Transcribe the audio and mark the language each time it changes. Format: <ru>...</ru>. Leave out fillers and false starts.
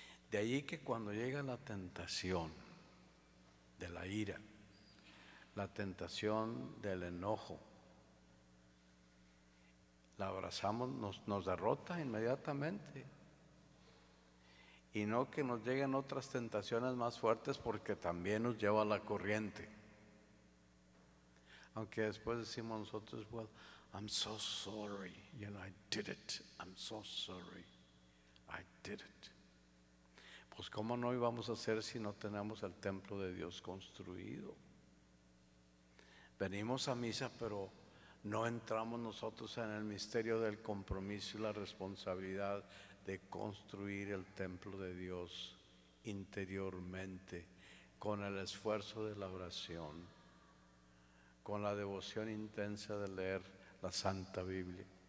<es>De allí que cuando llega la tentación de la ira, la tentación del enojo, la abrazamos, nos derrota inmediatamente. Y no que nos lleguen otras tentaciones más fuertes, porque también nos lleva a la corriente. Aunque después decimos nosotros,</es> <en>well, I'm so sorry, you know, I did it, I'm so sorry, I did it.</en> <es>Pues cómo no íbamos a hacer si no tenemos el templo de Dios construido. Venimos a misa, pero no entramos nosotros en el misterio del compromiso y la responsabilidad de construir el templo de Dios interiormente, con el esfuerzo de la oración, con la devoción intensa de leer la Santa Biblia.</es>